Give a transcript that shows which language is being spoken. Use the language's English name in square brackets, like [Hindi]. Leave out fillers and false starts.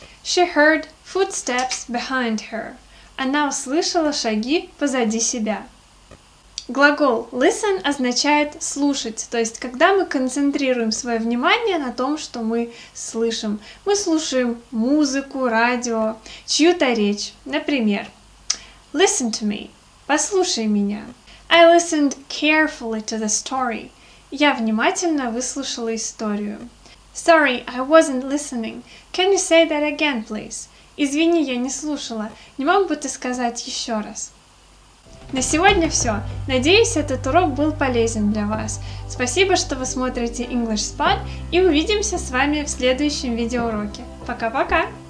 [English] She heard footsteps behind her. [Russian] Она услышала шаги позади себя. Глагол [English] listen [Russian] означает слушать, то есть когда мы концентрируем свое внимание на том, что мы слышим. Мы слушаем музыку, радио, чью-то речь. Например, [English] listen to me. [Russian] Послушай меня. [English] I listened carefully to the story. [Russian] Я внимательно выслушала историю. [English] Sorry, I wasn't listening. Can you say that again, please? [Russian] Извини, я не слушала. Не мог бы ты сказать еще раз? На сегодня все. Надеюсь, этот урок был полезен для вас. Спасибо, что вы смотрите English Spot, и увидимся с вами в следующем видеоуроке. Пока-пока!